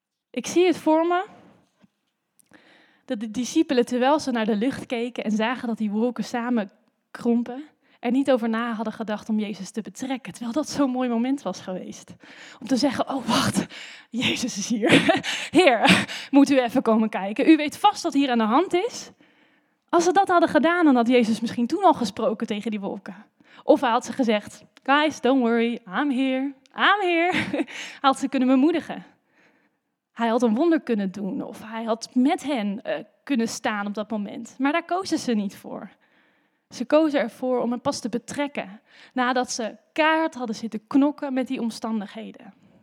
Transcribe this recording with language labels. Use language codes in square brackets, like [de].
[nl] Ik zie het voor me dat de discipelen, terwijl ze naar de lucht keken en zagen dat die wolken samen krompen, er niet over na hadden gedacht om Jezus te betrekken. Terwijl dat zo'n mooi moment was geweest. Om te zeggen, oh wacht, Jezus is hier. Heer, moet u even komen kijken. U weet vast wat hier aan de hand is. Als ze dat hadden gedaan, dan had Jezus misschien toen al gesproken tegen die wolken. Of hij had ze gezegd, [en] guys, don't worry, I'm here. [nl] Had ze kunnen bemoedigen. Hij had een wonder kunnen doen. Of hij had met hen kunnen staan op dat moment. Maar daar kozen ze niet voor. Ze kozen ervoor om hem pas te betrekken. Nadat ze kaart hadden zitten knokken met die omstandigheden.